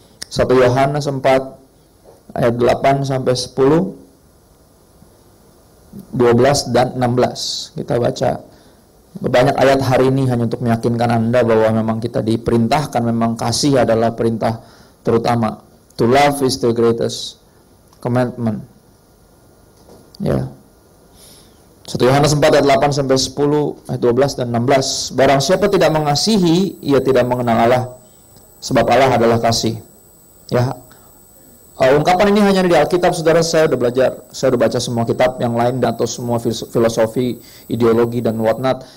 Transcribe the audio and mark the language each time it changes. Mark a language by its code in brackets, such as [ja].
[id] 1 Yohanes 4 ayat 8 sampai 10. 12 dan 16. Kita baca banyak ayat hari ini hanya untuk meyakinkan Anda bahwa memang kita diperintahkan, memang kasih adalah perintah terutama. [en] To love is the greatest commandment. [id] Ya. 1 Yohanes 4 ayat 8 sampai 10 ayat 12 dan 16. Barang siapa tidak mengasihi, ia tidak mengenal Allah, sebab Allah adalah kasih. Ya. Ungkapan ini hanya ada di Alkitab, saudara. Saya sudah belajar, saya sudah baca semua kitab yang lain atau semua filosofi, ideologi dan whatnot.